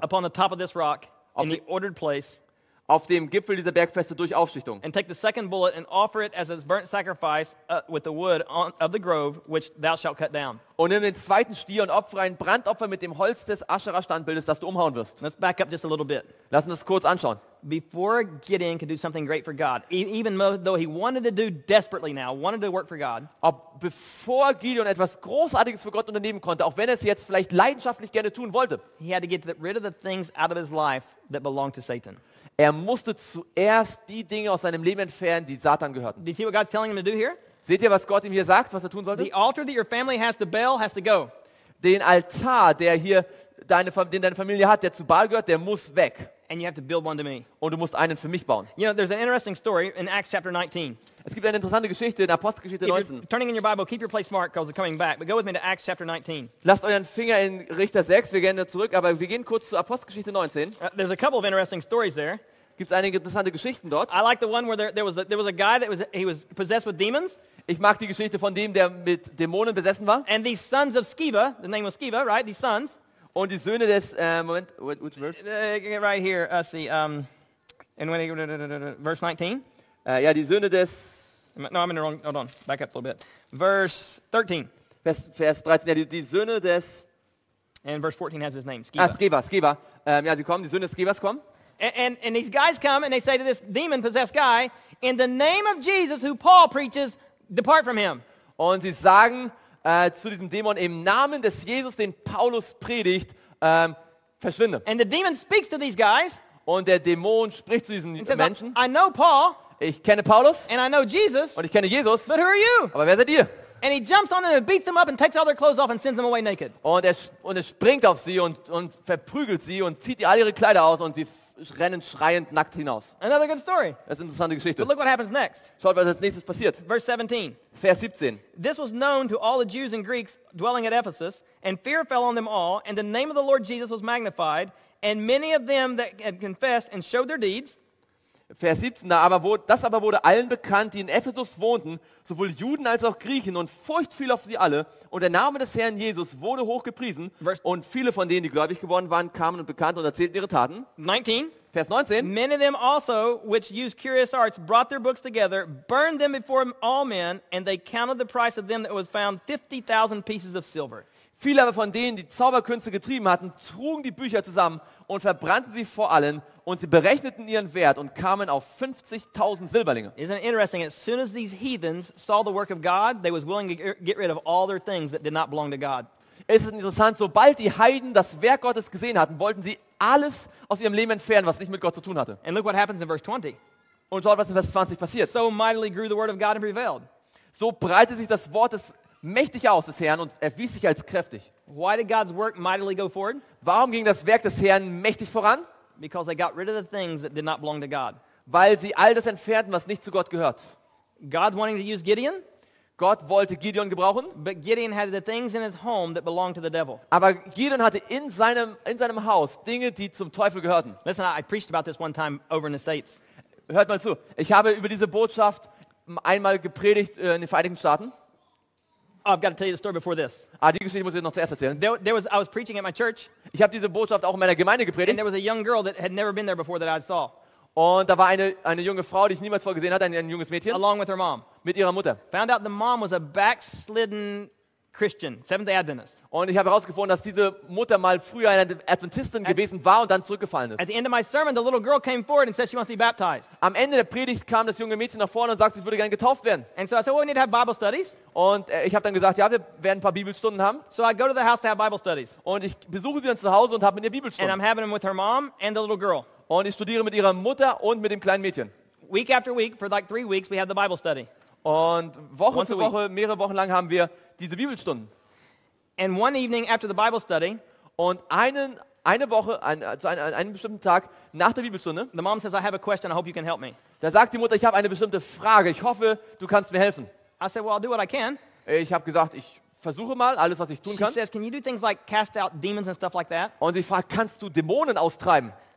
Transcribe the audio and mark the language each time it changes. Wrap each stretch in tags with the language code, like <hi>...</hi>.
<en>Upon the top of this rock, in the ordered place.</en> <de>Auf dem Gipfel dieser Bergfeste durch Aufschichtung.</de> <en>And take the second bullet and offer it as a burnt sacrifice with the wood on, of the grove which thou shalt cut down.</en> <de>Und nimm den zweiten Stier und opfere ein Brandopfer mit dem Holz des Aschera-Standbildes, das du umhauen wirst.</de> <en>Let's back up just a little bit.</en> <de>Lass uns das kurz anschauen.</de> <en>Before Gideon could do something great for God, even though he wanted to do desperately now, wanted to work for God.</en> <de>Bevor Gideon etwas Großartiges für Gott unternehmen konnte, auch wenn er es jetzt vielleicht leidenschaftlich gerne tun wollte.</de> <en>He had to get rid of the things out of his life that belonged to Satan.</en> <de>Er musste zuerst die Dinge aus seinem Leben entfernen, die Satan gehörten.</de> <en>Do you see what God's telling him to do here?</en> <de>Seht ihr, was Gott ihm hier sagt, was er tun sollte?</de> <en>The altar that your family has to Baal has to go.</en> <de>Den Altar, der hier deine Familie hat, der zu Baal gehört, der muss weg.</de> <en>And you have to build one to me.</en> <de>Und du musst einen für mich bauen.</de> <en>You know, there's an interesting story in Acts chapter 19.</en> <de>Es gibt eine interessante Geschichte in Apostelgeschichte 19.</de> <en>Turning in your Bible, keep your place marked because we're coming back. But go with me to Acts chapter 19.</en> <de>Lasst euren Finger in Richter 6. Wir gehen da zurück, aber wir gehen kurz zu Apostelgeschichte 19.</de> <en>There's a couple of interesting stories there.</en> <de>Gibt's einige interessante Geschichten dort?</de> <en>I like the one where there was a guy that he was possessed with demons.</en> <de>Ich mag die Geschichte von dem, der mit Dämonen besessen war.</de> <en>And these sons of Sceva, the name was Sceva, right? These sons.</en> <de>Und die Söhne des Moment,</de> <en>which verse? Right here, I see. And when verse 19.</en> <de>Ja, die Söhne des...</de> <en>No, I'm in the wrong... Hold on, back up a little bit. Verse 13.</en> <de>Vers 13, ja, die Söhne des...</de> <en>And verse 14 has his name, Sceva. Ah, Sceva.</en> <de>Ja, sie kommen, die Söhne des Scevas kommen.</de> <en>And these guys come and they say to this demon-possessed guy, in the name of Jesus, who Paul preaches, depart from him.</en> <de>Und sie sagen zu diesem Dämon, im Namen des Jesus, den Paulus predigt, verschwinde.</de> <en>And the demon speaks to these guys.</en> <de>Und der Dämon spricht zu diesen Menschen.</de> <en>I know Paul.</en> <de>Ich kenne Paulus.</de> <en>And I know Jesus.</en> <de>Und ich kenne Jesus.</de> <en>But who are you?</en> <de>Aber wer seid ihr?</de> <en>And he jumps on them and beats them up and takes all their clothes off and sends them away naked.</en> <de>Und er springt auf sie und verprügelt sie und zieht ihr all ihre Kleider aus und sie rennen schreiend nackt hinaus.</de> <en>Another good story.</en> <de>Das ist eine interessante Geschichte.</de> <en>But look what happens next.</en> <de>Schaut, was als nächstes passiert.</de> <en>Verse 17.</en> <de>Vers 17.</de> <en>This was known to all the Jews and Greeks dwelling at Ephesus, and fear fell on them all, and the name of the Lord Jesus was magnified, and many of them that had confessed and showed their deeds.</en> <de>Vers 17, das aber wurde allen bekannt, die in Ephesus wohnten, sowohl Juden als auch Griechen, und Furcht fiel auf sie alle, und der Name des Herrn Jesus wurde hochgepriesen, und viele von denen, die gläubig geworden waren, kamen und bekannten und erzählten ihre Taten.</de> <en>19.</en> <de>Vers 19.</de> <en>Many of them also, which used curious arts, brought their books together, burned them before all men, and they counted the price of them that was found 50,000 pieces of silver.</en> <de>Viele aber von denen, die Zauberkünste getrieben hatten, trugen die Bücher zusammen und verbrannten sie vor allen, und sie berechneten ihren Wert und kamen auf 50.000 Silberlinge.</de> <en>Isn't it interesting? As soon as these heathens saw the work of God, they was willing to get rid of all their things that did not belong to God.</en> <de>Ist es interessant, sobald die Heiden das Werk Gottes gesehen hatten, wollten sie alles aus ihrem Leben entfernen, was nicht mit Gott zu tun hatte.</de> <en>And look what happens in verse 20.</en> <de>Und schaut, was in Vers 20 passiert.</de> <en>So mightily grew the word of God and prevailed.</en> <de>So breitete sich das Wort des mächtig aus des Herrn und erwies sich als kräftig.</de> <en>Why did God's work mightily go forward?</en> <de>Warum ging das Werk des Herrn mächtig voran?</de> <en>Because they got rid of the things that did not belong to God.</en> <de>Weil sie all das entfernten, was nicht zu Gott gehört.</de> <en>God's wanting to use Gideon.</en> <de>Gott wollte Gideon gebrauchen.</de> <en>But Gideon had the things in his home that belonged to the devil.</en> <de>Aber Gideon hatte in seinem Haus Dinge, die zum Teufel gehörten.</de> <en>Listen, I preached about this one time over in the States.</en> <de>Hört mal zu. Ich habe über diese Botschaft einmal gepredigt in den Vereinigten Staaten.</de> <en>Oh, I've got to tell you the story before this.</en> <de>Ah, die Geschichte muss ich noch zuerst erzählen.</de> <en>I was preaching at my church.</en> <de>Ich habe diese Botschaft auch in meiner Gemeinde gepredigt.</de> <en>And there was a young girl that had never been there before that I saw.</en> <de>Und da war eine junge Frau, die ich niemals vorher gesehen hatte, ein junges Mädchen.</de> <en>Along with her mom.</en> <de>Mit ihrer Mutter.</de> <en>Found out the mom was a backslidden Christian, Seventh-day Adventist.</en> <de>Und ich habe herausgefunden, dass diese Mutter mal früher eine Adventistin gewesen war und dann zurückgefallen ist.</de> <en>At the end of my sermon, the little girl came forward and said she wants to be baptized.</en> <de>Am Ende der Predigt kam das junge Mädchen nach vorne und sagte, ich würde gerne getauft werden.</de> <en>And so I said, well, we need to have Bible studies.</en> <de>Und ich habe dann gesagt, ja, wir werden ein paar Bibelstunden haben.</de> <en>So I go to the house to have Bible studies.</en> <de>Und ich besuche sie dann zu Hause und habe mit ihr Bibelstunden.</de> <en>And I'm having them with her mom and the little girl.</en> <de>Und ich studiere mit ihrer Mutter und mit dem kleinen Mädchen.</de> <en>Week after week, for like 3 weeks, we have the Bible study.</en> <de>Und Woche Once für Woche, week. Mehrere Wochen lang haben wir diese Bibelstunden.</de> <en>And one evening after the Bible study,</en> <de>und einen bestimmten Tag nach der Bibelstunde,</de> <en>the mom says, I have a question, I hope you can help me.</en> <de>Da sagt die Mutter, ich habe eine bestimmte Frage, ich hoffe, du kannst mir helfen.</de> <en>I said, well, I'll do what I can.</en> <de>Ich habe gesagt, ich versuche mal alles, was ich tun kann.</de> <en>She says, can you do things like cast out demons and stuff like that?</en> <de>Und sie fragt, kannst du Dämonen austreiben?</de>